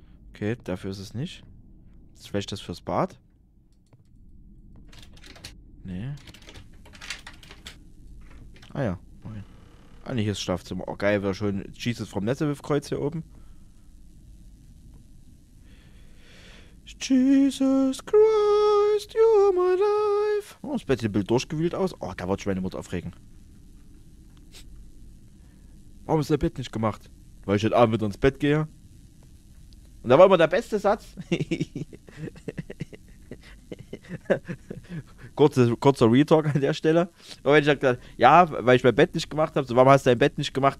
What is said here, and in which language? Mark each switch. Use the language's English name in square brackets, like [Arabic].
[German] Okay, dafür ist es nicht. Das ist vielleicht das fürs Bad? Nee. Ah ja. Okay. Ah ne, hier ist Schlafzimmer. Oh geil, wieder schön Jesus vom Nazareth-Kreuz hier oben. [English] Jesus Christ, you're my life. [German] Oh, das Bett sieht ein bisschen durchgewühlt aus. Oh, da wird schon meine Mutter aufregen. Warum ist das Bett nicht gemacht? Weil ich heute Abend wieder ins Bett gehe. Und da war immer der beste Satz. Kurzer Retalk an der Stelle. Und wenn ich dann gesagt, ja, weil ich mein Bett nicht gemacht habe. So, warum hast du dein Bett nicht gemacht?